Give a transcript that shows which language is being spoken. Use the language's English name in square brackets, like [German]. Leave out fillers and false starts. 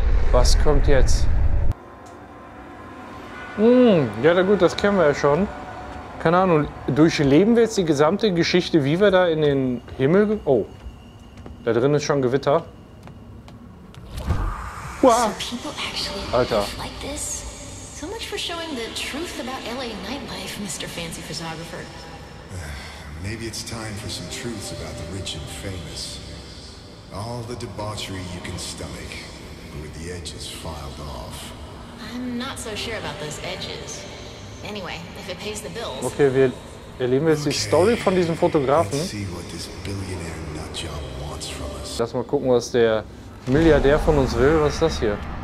[German] Was kommt jetzt? Ja, na gut, das kennen wir ja schon. Keine Ahnung, durchleben wir jetzt die gesamte Geschichte, wie wir da in den Himmel... Oh, da drin ist schon Gewitter. [English] Wow. So people actually [German] Alter. [English] Live like this? So much for showing the truth about LA nightlife, Mr. Fancy Photographer. Maybe it's time for some truths about the rich and famous. All the debauchery you can stomach, but with the edges filed off. I'm not so sure about those edges. Anyway, if it pays the bills. [German] Okay, wir erleben jetzt die Story von diesem Fotografen. [English] Let's see what this billionaire nutjob wants from us. [German] Lass mal gucken, was der Milliardär von uns will. Was ist das hier?